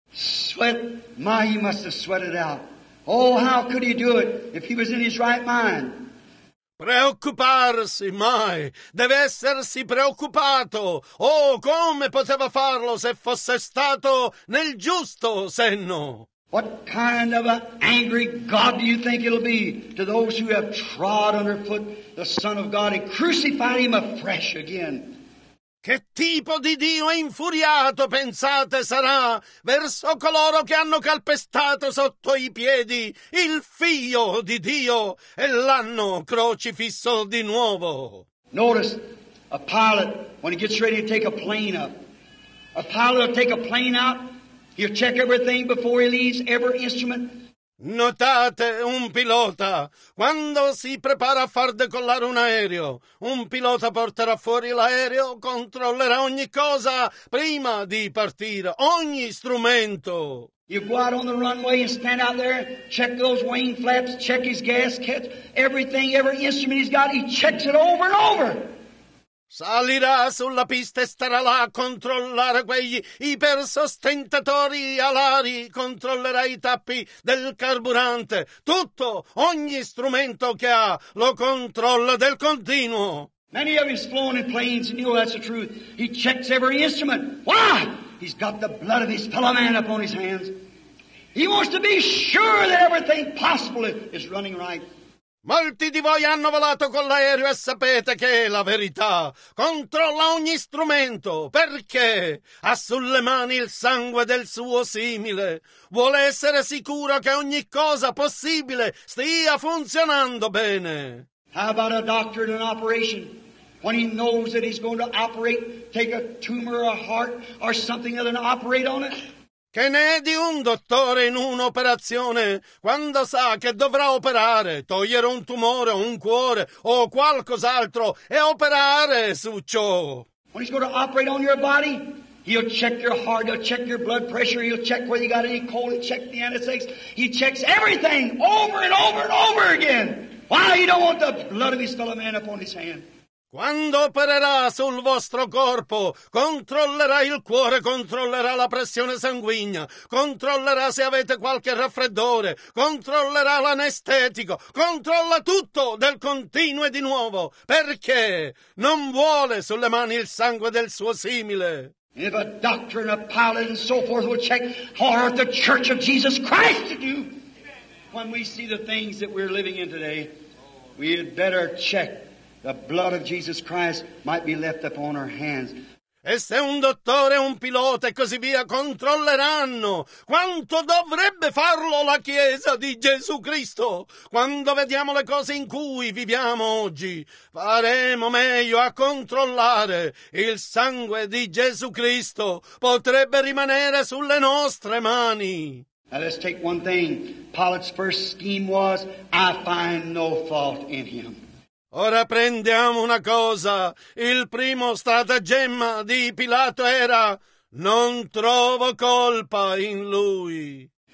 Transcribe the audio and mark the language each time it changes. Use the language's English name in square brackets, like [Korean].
[English] Sweat, my, he must have sweated out. Oh, how could he do it if he was in his right mind? [Italian] Preoccuparsi mai, deve essersi preoccupato. Oh, come poteva farlo se fosse stato nel giusto senno? [English] What kind of an angry God do you think it'll be to those who have trod underfoot the Son of God and crucified him afresh again? [Italian] Che tipo di Dio infuriato pensate sarà verso coloro che hanno calpestato sotto i piedi il Figlio di Dio e l'hanno crocifisso di nuovo? [English] Notice a pilot when he gets ready to take a plane up. A pilot will take a plane up, he'll check everything before he leaves, every instrument. [Italian] Notate un pilota, quando si prepara a far decollare un aereo, un pilota porterà fuori l'aereo, controllerà ogni cosa prima di partire, ogni strumento. [English] You go out on the runway and stand out there, check those wing flaps, check his gasket, everything, every instrument he's got, he checks it over and over. [Italian] Salirà sulla pista e starà là a controllare quegli ipersostentatori alari, controllerà i tappi del carburante, tutto, ogni strumento che ha, lo controlla del continuo. [English] Many of his flown in planes, and you know that's the truth. He checks every instrument. Why? He's got the blood of his fellow man upon his hands. He wants to be sure that everything possible is running right. [Italian] Molti di voi hanno volato con l'aereo e sapete che è la verità. Controlla ogni strumento. Perché? Ha sulle mani il sangue del suo simile. Vuole essere sicuro che ogni cosa possibile stia funzionando bene. [English] How about a doctor in an operation? When he knows that he's going to operate, take a tumor, a heart, or something other than operate on it? [Italian] Che ne è di un dottore in un'operazione quando sa che dovrà operare, togliere un tumore o un cuore o qualcos'altro e operare su ciò? [English] When he's going to operate on your body, he'll check your heart, he'll check your blood pressure, he'll check whether you got any cold, he'll check the anesthetics, he checks everything over and over and over again. Why? He don't want the blood of his fellow man upon his hand. [Italian] Quando opererà sul vostro corpo, controllerà il cuore, controllerà la pressione sanguigna, controllerà se avete qualche raffreddore, controllerà l'anestetico, controlla tutto del continuo e di nuovo, perché non vuole sulle mani il sangue del suo simile. [English] If a doctor and a pilot and so forth will check what the Church of Jesus Christ to do when we see the things that we're living in today, we had better check. The blood of Jesus Christ might be left upon our hands. [Italian] E se un dottore, un pilota e così via controlleranno quanto dovrebbe farlo la Chiesa di Gesù Cristo quando vediamo le cose in cui viviamo oggi, faremo meglio a controllare il sangue di Gesù Cristo, potrebbe rimanere sulle nostre mani. [English] Now let's take one thing. Pilate's first scheme was, I find no fault in him. [Italian] Ora prendiamo una cosa. Il primo stratagemma di Pilato era: non trovo colpa in lui.